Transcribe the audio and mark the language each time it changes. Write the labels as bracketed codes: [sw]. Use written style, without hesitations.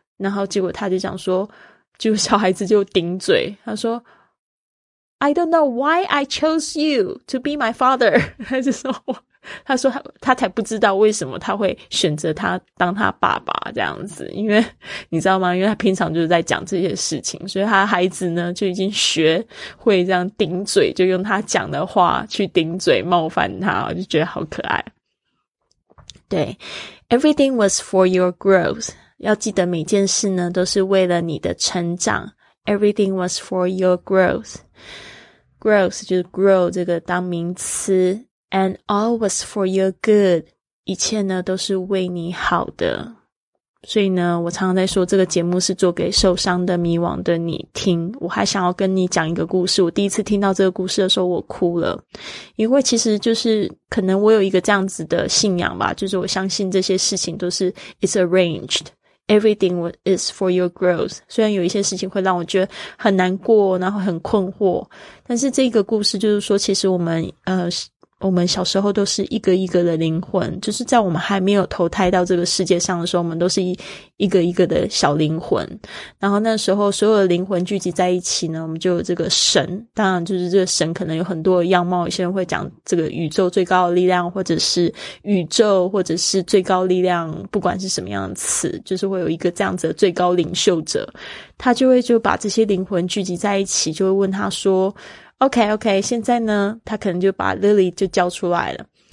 [zh] 然后结果他就讲说，结果小孩子就顶嘴，他说 [en] I don't know why I chose you to be my father, [zh] 他就说他才不知道为什么他会选择他当他爸爸这样子，因为你知道吗，因为他平常就是在讲这些事情，所以他的孩子呢就已经学会这样顶嘴，就用他讲的话去顶嘴冒犯他，我就觉得好可爱。对， [en] Everything was for your growth， [zh] 要记得每件事呢都是为了你的成长。 [en] Everything was for your growth， growth [zh] 就是 grow 这个当名词， [en] And all was for your good. [zh] 一切呢都是为你好的。所以呢，我常常在说这个节目是做给受伤的、迷惘的你听。我还想要跟你讲一个故事。我第一次听到这个故事的时候，我哭了。因为其实就是可能我有一个这样子的信仰吧，就是我相信这些事情都是 [en] it's arranged. Everything is for your growth. [zh] 虽然有一些事情会让我觉得很难过，然后很困惑，但是这个故事就是说，其实我们小时候都是一个一个的灵魂，就是在我们还没有投胎到这个世界上的时候，我们都是一个一个的小灵魂，然后那时候所有的灵魂聚集在一起呢，我们就有这个神，当然就是这个神可能有很多的样貌，有些人会讲这个宇宙最高的力量，或者是宇宙，或者是最高力量，不管是什么样的词，就是会有一个这样子的最高领袖者，他就会就把这些灵魂聚集在一起，就会问他说OK, 现在呢，他可能就把 Lily 就叫出来了。